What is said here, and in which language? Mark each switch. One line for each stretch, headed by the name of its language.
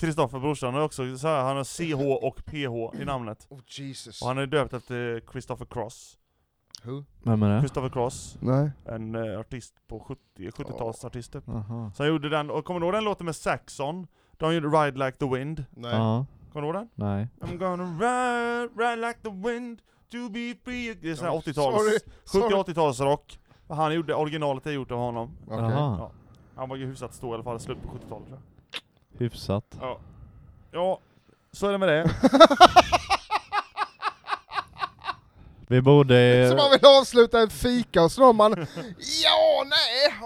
Swedish: Kristoffer brorsan är också så här, han har CH och PH i namnet.
English: Oh Jesus.
Swedish: Och han är döpt efter Christopher Cross.
English: Who?
Swedish: Vem är det? Christopher Cross. Nej. En artist på 70-talets artist. Uh-huh. Så han gjorde den, och kommer du ihåg den låten med Saxon? De gjorde Ride Like the Wind. Nej. Uh-huh. Kommer du ihåg den? Nej.
English: I'm gonna ride like the wind to be free.
Swedish: Det är sån här 80-tals.
English: Sorry.
Swedish: 70-80-tals rock. Han gjorde originalet jag gjort av honom. Okej. Okay. Uh-huh. Ja. Han var ju hyfsat stå i alla fall, slut på 70-talet. Hyfsat. Ja. Ja, så är det med det. Vi borde... Så man vill avsluta en fika och så man... Ja, nej!